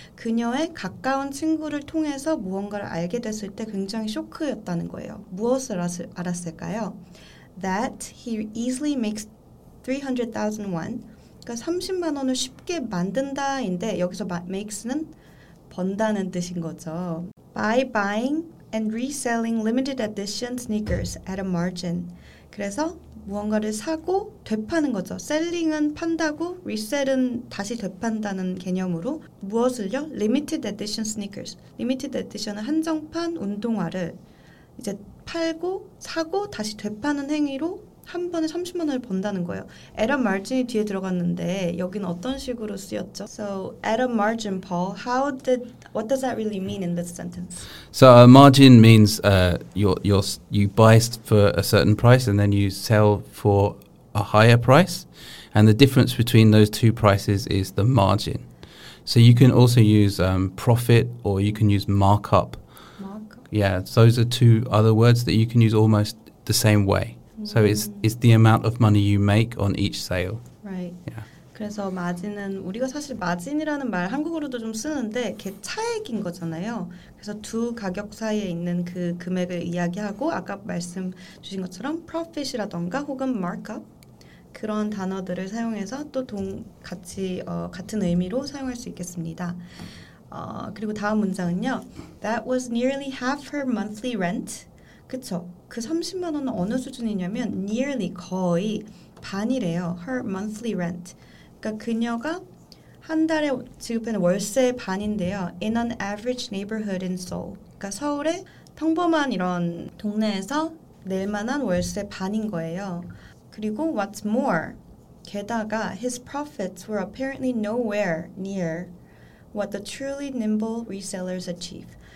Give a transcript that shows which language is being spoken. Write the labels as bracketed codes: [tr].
[ko] 그녀의 가까운 친구를 통해서 무언가를 알게 됐을 때 굉장히 쇼크였다는 거예요. 무엇을 알았을까요? [en] That he easily makes 300,000 won. [ko] 그러니까 30만 원을 쉽게 만든다인데 여기서 makes는 번다는 뜻인 거죠. [en] By buying and reselling limited edition sneakers at a margin. [ko] 그래서 무언가를 사고 되파는 거죠. selling은 판다고 resell은 다시 되판다는 개념으로 무엇을요? [en] limited edition sneakers. [ko] limited edition은 한정판 운동화를 이제 팔고 사고 다시 되파는 행위로 한 번에 30만 원을 번다는 거예요. [en] At a margin [ko] 이 뒤에 들어갔는데 여기는 어떤 식으로 쓰였죠? [en] So, at a margin, Paul, what does that really mean in this sentence? So, a margin means you buy for a certain price and then you sell for a higher price. And the difference between those two prices is the margin. So, you can also use profit or you can use markup. Markup? Yeah, those are two other words that you can use almost the same way. So it's the amount of money you make on each sale. Right. Yeah. [ko] 그래서 마진은 우리가 사실 마진이라는 말 한국어로도 좀 쓰는데 그게 차액인 거잖아요. 그래서 두 가격 사이에 있는 그 금액을 이야기하고 아까 말씀 주신 것처럼 profit이라던가 혹은 markup 그런 단어들을 사용해서 또 같이 같은 의미로 사용할 수 있겠습니다. 그리고 다음 문장은요. [en] That was nearly half her monthly rent. [ko] 그쵸? 그 30만 원은 어느 수준이냐면 nearly 거의 반이래요. [en] Her monthly rent. [ko] 그러니까 그녀가 한 달에 지급하는 월세의 반인데요. [en] In an average neighborhood in Seoul. [ko] 그러니까 서울의 평범한 이런 동네에서 낼 만한 월세 반인 거예요. 그리고 [en] what's more, [ko] 게다가 [en] his profits were apparently nowhere near what the truly nimble resellers achieve.